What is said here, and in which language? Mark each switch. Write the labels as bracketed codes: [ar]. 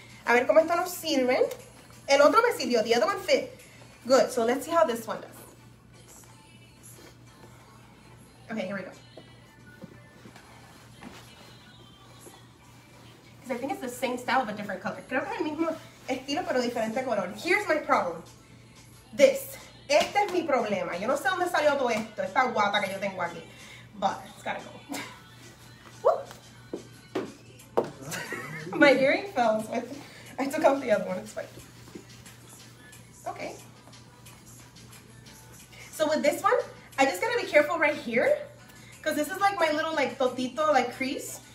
[es] A ver cómo están los sirven. El otro me sirvió, [en] the other one fit. Good, so let's see how this one does. Okay, here we go. Because I think it's the same style, but different color. [es] Creo que es el mismo estilo, pero diferente color. [en] Here's my problem. This. [es] Este es mi problema. Yo no sé dónde salió todo esto, esta guata que yo tengo aquí. [en] But, it's gotta go. My earring fell, so I took off the other one, it's fine. Okay. So with this one, I just gotta be careful right here, because this is like my little like totito like crease.